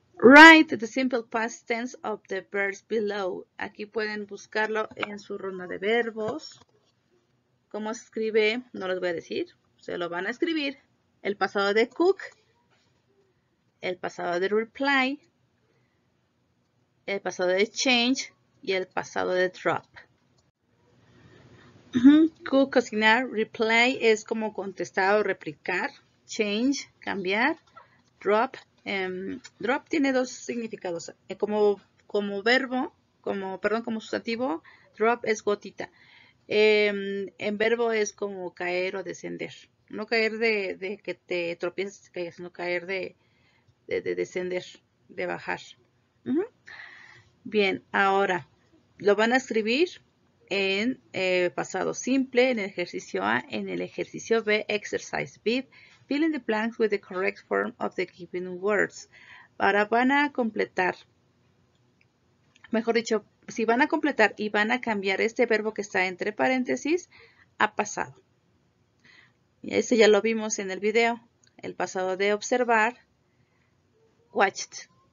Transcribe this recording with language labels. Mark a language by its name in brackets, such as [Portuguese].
[English] Write the simple past tense of the verbs below. [Spanish] Aquí pueden buscarlo en su ronda de verbos. ¿Cómo se escribe? No les voy a decir. Se lo van a escribir. El pasado de cook. El pasado de reply. El pasado de change. Y el pasado de drop. Cook, cocinar. Reply es como contestar o replicar. Change, cambiar. Drop. Drop tiene dos significados. Como verbo, como sustantivo, drop es gotita. En verbo es como caer o descender. No caer de que te tropieces, caer, sino caer de descender, de bajar. Bien, ahora lo van a escribir en pasado simple, en el ejercicio A, en el ejercicio B, exercise B. [English] Fill in the blanks with the correct form of the given words. [Spanish] Ahora van a completar, mejor dicho, si van a completar y van a cambiar este verbo que está entre paréntesis a pasado. Y ese ya lo vimos en el video, el pasado de observar, watched.